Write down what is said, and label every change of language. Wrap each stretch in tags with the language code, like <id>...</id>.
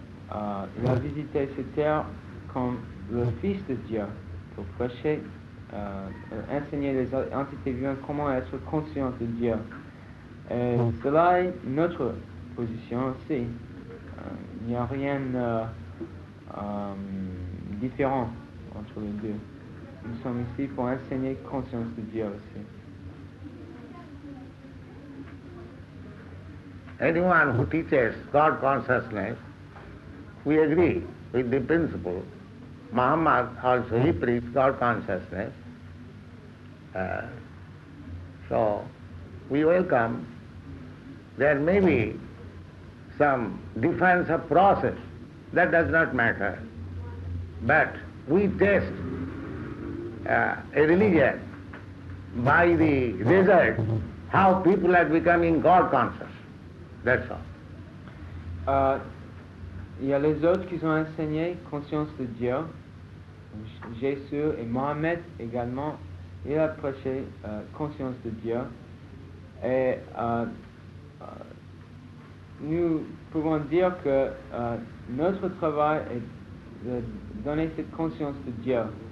<fr>Il a visité cette terre comme le Fils de Dieu pour prêcher, enseigner les entités vivantes comment être conscients de Dieu. Et cela est notre position aussi. Il n'y a rien de différent entre les deux. Nous sommes ici pour enseigner conscience de Dieu aussi.</fr> <en>Anyone who teaches God consciousness, we agree with the principle. Muhammad also, he preached God consciousness. So we welcome. There may be some difference of process. That does not matter. But we test a religion by the result how people are becoming God conscious. That's all.</en> <fr>Il y a les autres qui ont enseigné conscience de Dieu, Jésus et Mohammed également, ils ont prêché conscience de Dieu. Et nous pouvons dire que notre travail est de donner cette conscience de Dieu.</fr>